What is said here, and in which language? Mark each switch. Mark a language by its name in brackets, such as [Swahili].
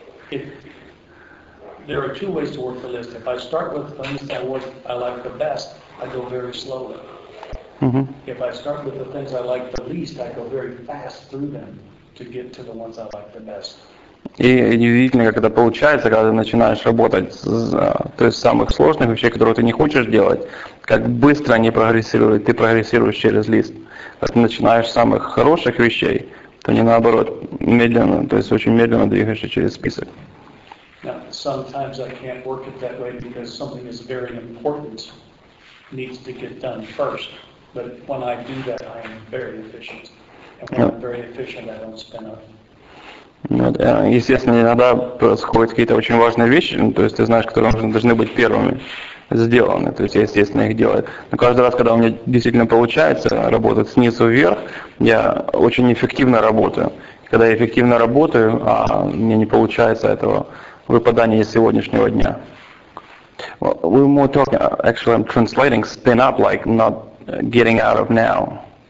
[English] If there are two ways to work the list. If I start with the things that I like the best, I go very slowly. Mm-hmm. If I start with the things I like the least, I go very fast through them to get to the ones I like the best. [Russian] И удивительно, как это получается, когда ты начинаешь работать с самых сложных вещей, которые ты не хочешь делать, как быстро они прогрессируют, ты прогрессируешь через лист. Когда ты начинаешь с самых хороших вещей, то не наоборот, медленно, то есть очень медленно двигаешься через список. [English] Now, sometimes I can't work it that way because something is very important needs to get done first. But when I do that, I am very efficient. And when I'm very efficient, I don't spin up. [Russian] Естественно, иногда происходят какие-то очень важные вещи, то есть ты знаешь, которые должны быть первыми сделаны, то есть я, естественно, их делаю. Но каждый раз, когда у меня действительно получается работать снизу вверх, я очень эффективно работаю. Когда я эффективно работаю, а мне не получается этого выпадания из сегодняшнего дня. [English] We're more talking, actually I'm translating spin up, like not getting out of now.